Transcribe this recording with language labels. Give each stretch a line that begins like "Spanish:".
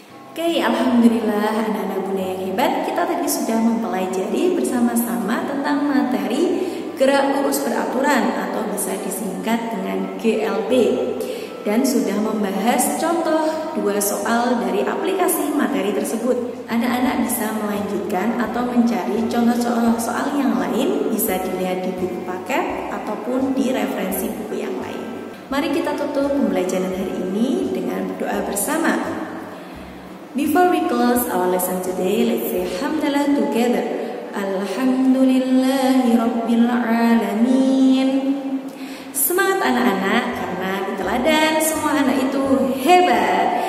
Indonesian: Oke, alhamdulillah anak-anak bunda yang hebat, kita tadi sudah mempelajari bersama-sama tentang materi gerak lurus beraturan atau bisa disingkat dengan GLB, dan sudah membahas contoh dua soal dari aplikasi materi tersebut. Anak-anak bisa melanjutkan atau mencari contoh-contoh soal yang lain, bisa dilihat di buku paket ataupun di referensi buku yang lain. Mari kita tutup pembelajaran hari ini dengan doa bersama.
English: Before we close our lesson today, let's say Alhamdulillah together.
Arabic: Alhamdulillahi Rabbil Alamin.
Indonesian: Semangat anak-anak, karena di teladan semua anak itu hebat.